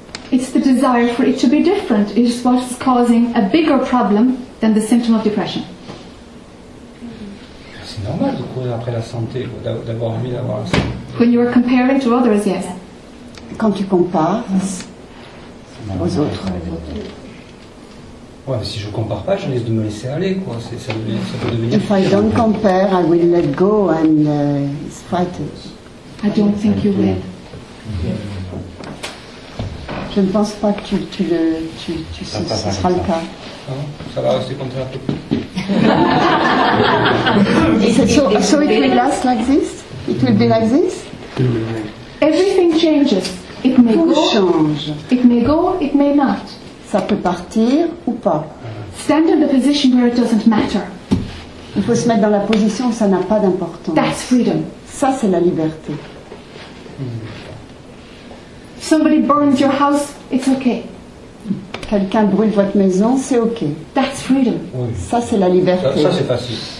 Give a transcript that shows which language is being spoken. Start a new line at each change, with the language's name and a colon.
English: It's the desire for it to be different. It's what's causing a bigger problem than the symptom of depression.
French: C'est normal de courir après la santé, d'avoir envie d'avoir la santé.
English: When you are comparing to others, yes.
French: Quand tu compares aux autres. Ouais, mais si je compare pas, je risque de me laisser aller, quoi. Ça peut devenir.
English: If I don't compare, I will let go and fight it. I don't think you will.
French: Je je ne pense pas que tu ça ce sera ça. Le cas. Non, ça va rester comme ça un peu.
English: So it will last like this? It will be like this? Everything changes. It may
French: tout
English: go. Change. It may go, it may not.
French: Ça peut partir ou pas.
English: Stand in the position where it doesn't matter.
French: Il faut se mettre dans la position où ça n'a pas d'importance.
English: That's freedom.
French: Ça, c'est la liberté.
English: If somebody burns your house, it's okay.
French: Quelqu'un brûle votre maison, c'est ok.
English: That's freedom.
French: Oui. Ça, c'est la liberté. Ça, c'est facile.